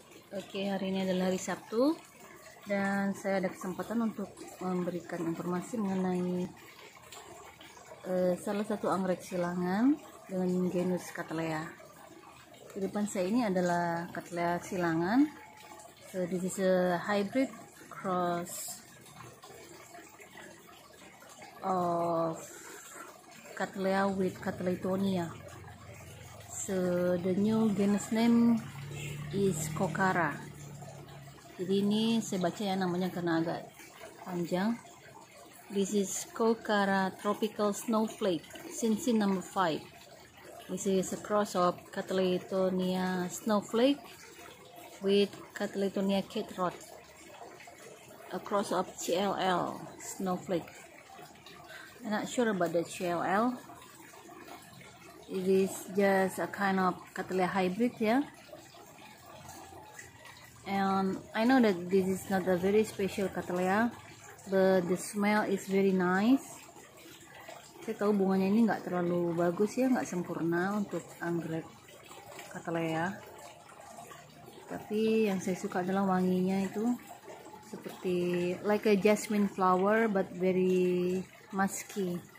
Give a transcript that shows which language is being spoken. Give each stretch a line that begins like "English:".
Indonesian: Oke, hari ini adalah hari Sabtu dan saya ada kesempatan untuk memberikan informasi mengenai salah satu anggrek silangan dengan genus Ctna. Di depan saya ini adalah Ctna silangan.
English: This is a hybrid cross of Ctna with Ctna. So the new genus name is Cookara.
Indonesian: Jadi ini saya baca ya namanya karena agak panjang.
English: This is Cookara Tropical Snowflake, Shin number 5. This is a cross of Ctna Snowflake with Ctna Roth. A cross of CLL Snowflake. I'm not sure about the CLL. It is just a kind of Ctna hybrid, yeah. And I know that this is not a very special Ctna, but the smell is very nice.
Indonesian: Saya tahu bunganya ini nggak terlalu bagus ya, nggak sempurna untuk anggrek Ctna. Tapi yang saya suka adalah wanginya itu seperti
English: like a jasmine flower, but very musky.